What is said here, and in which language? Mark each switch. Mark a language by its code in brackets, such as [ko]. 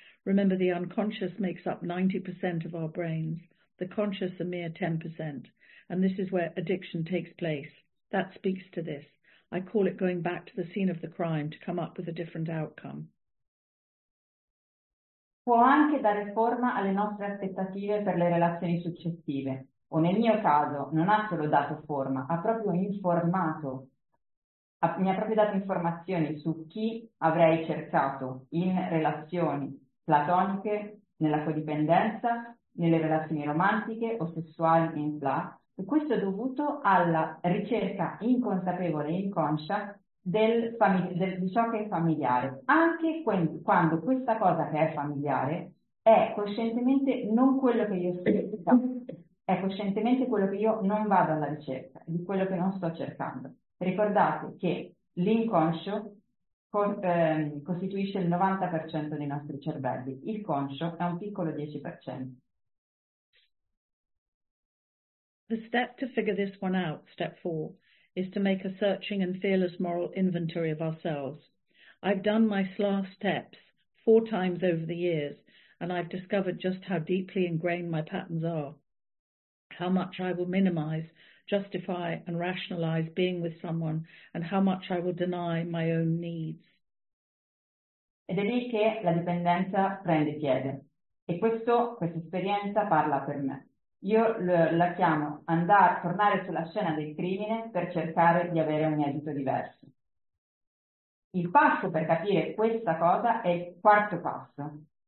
[en] Remember, the unconscious makes up 90% of our brains, the conscious a mere 10%. And this is where addiction takes place. That speaks to this. I call it going back to the scene of the crime to come up with a different outcome. [it] Può anche dare forma alle nostre aspettative per le relazioni successive. O nel mio caso, non ha solo dato forma, ha proprio informato. Mi ha proprio dato informazioni su chi avrei cercato in relazioni platoniche, nella codipendenza, nelle relazioni romantiche o sessuali in SLA. E questo è dovuto alla ricerca inconsapevole e inconscia di ciò che è familiare, anche quando questa cosa che è familiare è coscientemente non quello che io sto, è coscientemente quello che io non vado alla ricerca, di quello che non sto cercando. Ricordate che l'inconscio costituisce il 90% dei nostri cervelli, il conscio è un piccolo 10%. [en] The step to figure this one out, step four, is to make a searching and fearless moral inventory of ourselves. I've done my SLA steps 4 times over the years, and I've discovered just how deeply ingrained my patterns are, how much I will minimize, justify and rationalize being with someone, and how much I will deny my own needs. [it] Ed è lì che la dipendenza prende piede. E questa esperienza parla per me. Io la chiamo tornare sulla scena del crimine per cercare di avere un esito diverso. Il passo per capire questa cosa è il quarto passo.